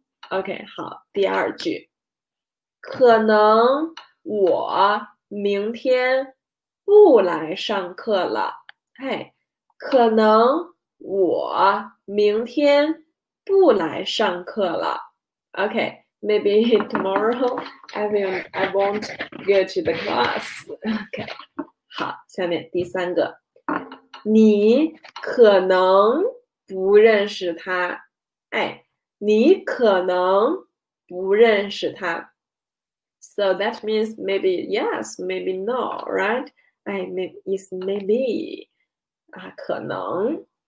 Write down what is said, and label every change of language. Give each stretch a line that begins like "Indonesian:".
Chinese: OK，好，第二句，可能我明天不来上课了，哎。可能我明天不来上课了。
English: OK，maybe tomorrow I won't go to the class.
Chinese: OK，好，下面第三个，你可能不认识他。哎，你可能不认识他。
English: So that means maybe yes, maybe no, right? I mean, it's maybe.
Chinese: 啊，可能，